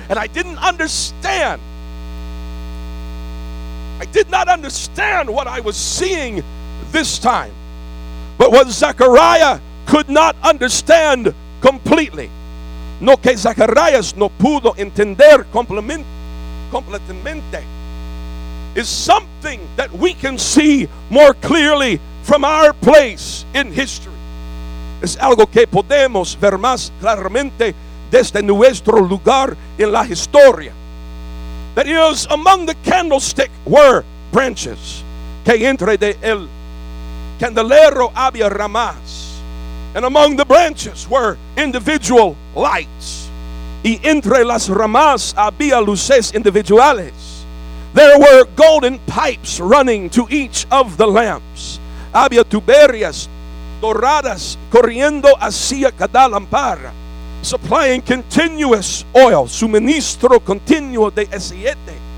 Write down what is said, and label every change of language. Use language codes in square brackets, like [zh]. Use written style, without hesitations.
[en] And I did not understand what I was seeing this time. But what Zechariah could not understand completely. [es] No que Zacarías no pudo entender completamente. [en] Is something that we can see more clearly from our place in history. [es] Es algo que podemos ver más claramente desde nuestro lugar en la historia. [en] That is, among the candlestick were branches. [es] Que entre de el candelero había ramas. [en] And among the branches were individual lights. [es] Y entre las ramas había luces individuales. [en] There were golden pipes running to each of the lamps. [es] Había tuberías doradas corriendo hacia cada lámpara, [en] supplying continuous oil, [es] suministro continuo de aceite.